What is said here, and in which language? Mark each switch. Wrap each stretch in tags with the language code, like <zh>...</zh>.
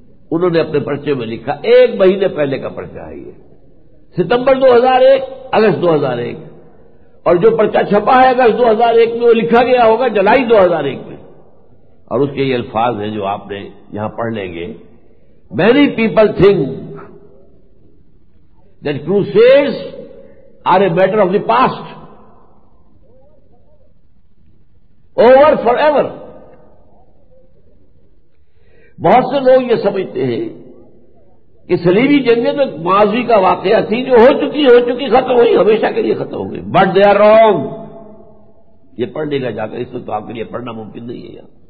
<ur>انہوں نے اپنے پرچے میں لکھا، ایک مہینے پہلے کا پرچہ ہے یہ، ستمبر 2001، اگست 2001، اور جو پرچہ چھپا ہے اگست 2001 میں وہ لکھا گیا ہوگا جولائی 2001 میں، اور اس کے یہ الفاظ ہیں جو آپ نے یہاں پڑھ لیں گے.</ur> <en>Many people think that crusades are a matter of the past, over forever.</en> <ur>بہت سے لوگ یہ سمجھتے ہیں کہ صلیبی جنگیں تو ماضی کا واقعہ تھی، جو ہو چکی ختم ہوئی، ہمیشہ کے لیے ختم ہو گئی.</ur> <en>But they are wrong.</en> <ur>یہ پڑھ لے گا جا کر، اس وقت تو آپ کے لیے پڑھنا ممکن نہیں ہے یار.</ur>